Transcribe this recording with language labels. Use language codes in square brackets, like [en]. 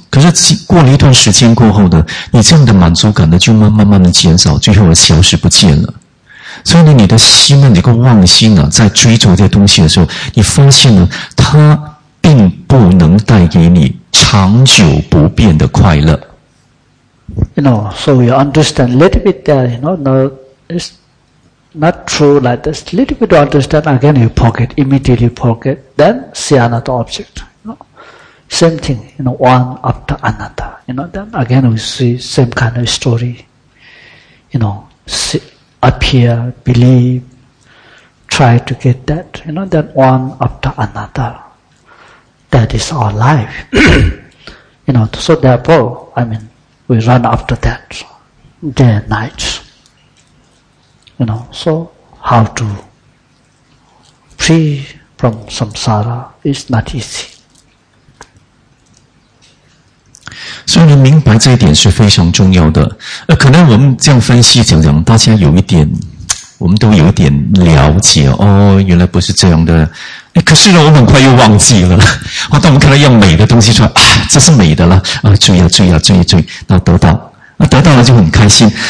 [zh] 可是过了一段时间过后呢，你这样的满足感呢，就慢慢的减少，最后消失不见了。所以呢，你的心呢，你个妄心啊，在追逐这些东西的时候，你发现呢，它并不能带给你长久不变的快乐。 [en] You know, so we understand a little bit there, you know, no, it's not true like this. Little bit understand, again you forget, immediately forget, then see another object. You know? Same thing, you know, one after another. You know, then again we see same kind of story. You know, see, appear, believe, try to get that. You know, then one after another. That is our life. You know, so therefore, I mean, we run after that, day and night. You know, so how to free from samsara is not easy. [zh] 所以我们明白这一点是非常重要的。可能我们这样分析讲讲，大家有一点，我们都有一点了解哦，原来不是这样的。可是呢，我很快又忘记了。当我们看到一样美的东西出来，啊，这是美的了啊！注意啊，注意啊，注意注意，那得到，那得到了就很开心。